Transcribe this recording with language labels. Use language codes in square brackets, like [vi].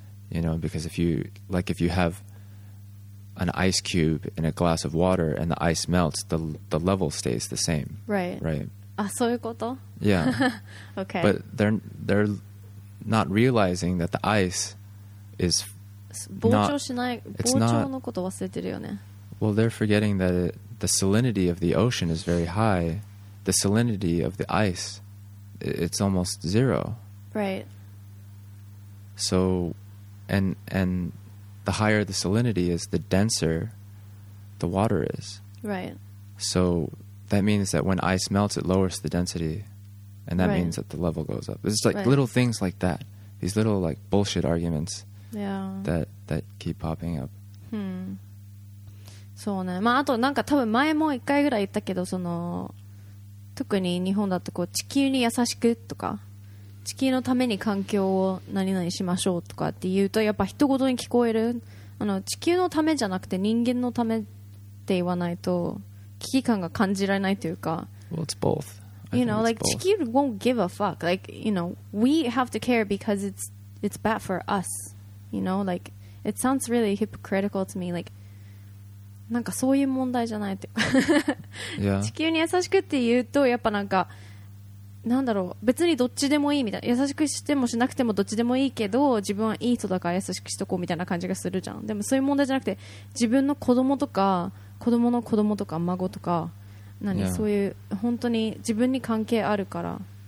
[en] You know, because if you have an ice cube in a glass of water and the ice melts, the level stays the same. Right. Right. [ja] あ、そういうこと? [en] Yeah. okay. But they're not realizing that the ice is [ja] 膨張しない、膨張のこと忘れてるよね。 [en] Well, they're forgetting that the salinity of the ocean is very high. The salinity of the ice, it's almost zero. Right. So, and the higher the salinity is, the denser the water is. Right. So that means that when ice melts, it lowers the density. And that means that the level goes up. It's like little things like that. These little like bullshit arguments that keep popping up. Hmm. [ja] そうね、まあ、あとなんか多分前も1回ぐらい言ったけど、その特に日本だとこう地球に優しくとか地球のために環境を何々しましょうとかって言うとやっぱ人ごとに聞こえる、あの地球のためじゃなくて人間のためって言わないと危機感が感じられないというか、 [en] Well, it's both. You know, like 地球 won't give a fuck. Like, you know, we have to care because it's bad for us. You know, like it sounds really hypocritical to me. [ja] Likeなんかそういう問題じゃないって地球に優しくって言うとやっぱなんかなんだろう、別にどっちでもいいみたいな、優しくしてもしなくてもどっちでもいいけど自分はいい人だから優しくしとこうみたいな感じがするじゃん。でもそういう問題じゃなくて自分の子供とか子供の子供とか孫とか何、そういう本当に自分に関係あるから。